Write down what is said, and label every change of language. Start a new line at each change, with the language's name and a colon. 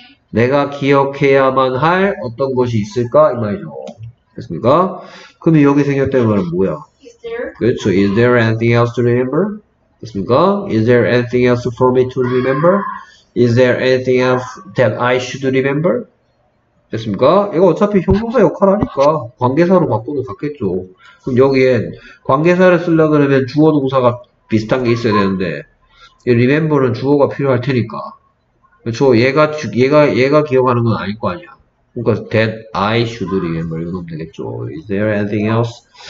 Korean: 내가 기억해야만 할 어떤 것이 있을까? 이 말이죠. 됐습니까? 그럼 여기 생겼다는 말은 뭐야?
English: Is there anything else to remember? 됐습니까? Is there anything else for me to remember? Is there anything else that I should remember?
Korean: 됐습니까? 이거 어차피 형용사 역할 하니까 관계사로 바꿔도 갔겠죠. 그럼 여기엔 관계사를 쓰려고 그러면 주어 동사가 비슷한 게 있어야 되는데 이 remember는 주어가 필요할 테니까 그렇죠. 얘가 기억하는 건 아닐 거 아니야. 그러니까
English: that I should remember
Korean: 이거 넣으면 되겠죠.
English: Is there anything else?